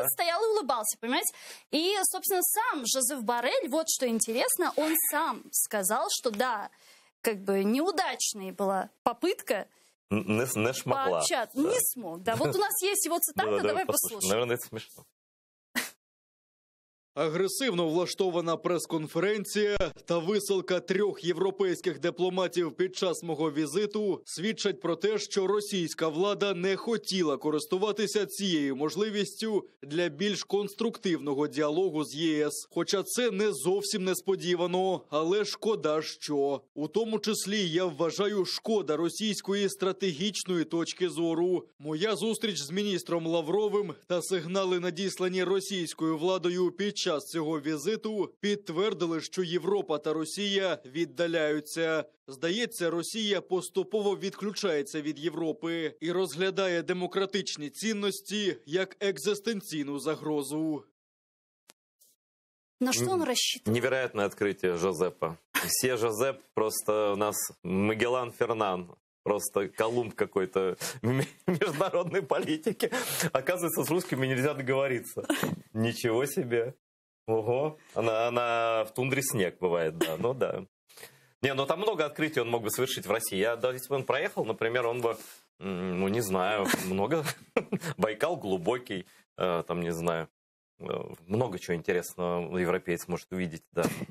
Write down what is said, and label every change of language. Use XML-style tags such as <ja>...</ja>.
<ru>Этот стоял и улыбался, понимаете? И, собственно, сам Жозеф Боррель, вот что интересно, он сам сказал, что да, как бы неудачная была попытка не смогла, пообщаться. Да. Не смог. Да, вот у нас есть его цитата, давай послушаем. Наверное, это смешно.</ru> <uk>Агресивно влаштована прес-конференція та висилка трьох європейських дипломатів під час мого візиту свідчать про те, що російська влада не хотіла користуватися цією можливістю для більш конструктивного діалогу з ЄС. Хоча це не зовсім несподівано, але шкода що. У тому числі я вважаю шкода російської стратегічної точки зору. Моя зустріч з міністром Лавровим та сигнали, надіслані російською владою під час цього візиту, підтвердили, що Європа та Росія віддаляються. Здається, Росія поступово відключається від Європи і розглядає демократичні цінності як екзистенційну загрозу. На що він розраховує? Невероятне відкриття Жозепа. Все Жозеп просто у нас Магеллан Фернан. Просто Колумб какой-то міжнародної політики.</uk> <ru>Оказывается, з русскими нельзя договориться. Нічого себе. Ого, она в тундре снег бывает, да, ну да. Не, ну там много открытий он мог бы совершить в России. Я, да, если бы он проехал, например, он бы, ну не знаю, много, Байкал глубокий, там не знаю, много чего интересного европеец может увидеть, да.</ru>